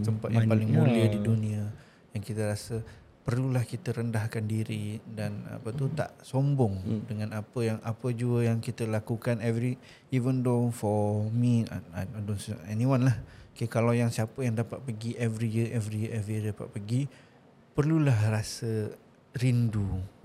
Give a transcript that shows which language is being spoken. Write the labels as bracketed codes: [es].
[ms] Tempat yang paling mulia di dunia, yang kita rasa perlulah kita rendahkan diri dan apa tu tak sombong dengan apa jua yang kita lakukan. [en] Every even though for me, I don't know anyone lah. [ms] Okay, kalau yang siapa yang dapat pergi every year dapat pergi, perlulah rasa rindu.